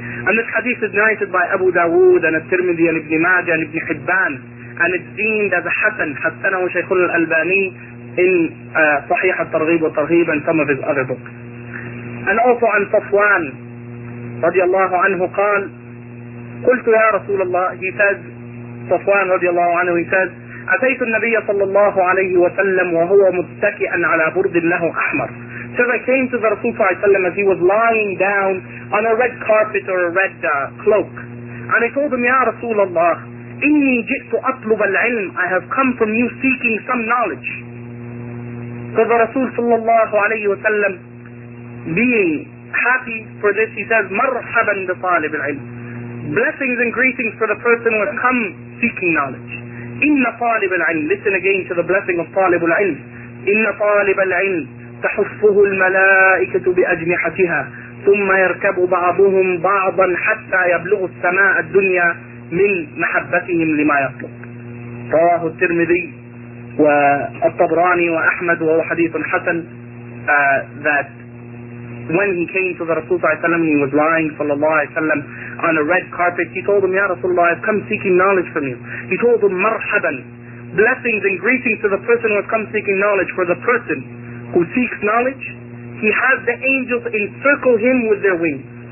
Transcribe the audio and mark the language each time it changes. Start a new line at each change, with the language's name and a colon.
English: And this hadith is narrated by Abu Dawood and al-Tirmidhi and Ibn Majah and Ibn Hibban, and it's deemed as a hasan,
Arabic: حَسَّنَهُ شَيْخُ الْأَلْبَانِي
English: in Sahih al-Targhib al-Targhib and some of his other books. And also on Safwan radiallahu anhu
Arabic: قال قلت يا رسول الله.
English: He says, Safwan radiallahu anhu, he says,
Arabic: أتيت النبي صلى الله عليه وسلم وهو متكئا على برد له أحمر.
English: Says, I came to the Rasul صلى الله عليه وسلم as he was lying down on a red carpet or a red cloak, and I told him,
Arabic: يا رسول الله, إني جئت أطلب العلم.
English: I have come from you seeking some knowledge. So the Rasul sallallahu alayhi wa sallam, being happy for this, he says,
Arabic: مَرْحَبًا بِطَالِبِ الْعِلْمِ.
English: Blessings and greetings for the person who has come seeking knowledge.
Arabic: إِنَّ طَالِبَ الْعِلْمِ.
English: Listen again to the blessing of
Arabic: طَالِبُ الْعِلْمِ. إِنَّ طَالِبَ الْعِلْمِ تَحُفُّهُ الْمَلَائِكَةُ بِأَجْنِحَتِهَا ثُمَّ يَرْكَبُ بَعْضُهُمْ بَعْضًا حَتَّى يَبْلُغُ السَّمَاءَ الدُّنْيَا مِنْ مَحَبَّتِهِمْ لِمَا يَطْلُبُ. رواه الترمذي والطبراني وأحمد وهو حديث حسن.
English: That when he came to the Rasul صلى الله عليه وسلم, he was lying صلى الله عليه وسلم on a red carpet. He told him,
Arabic: يا رسول الله,
English: I've come seeking knowledge from you. He told him, مرحبا. Blessings and greetings to the person who has come seeking knowledge. For the person who seeks knowledge, he has the angels encircle him with their wings.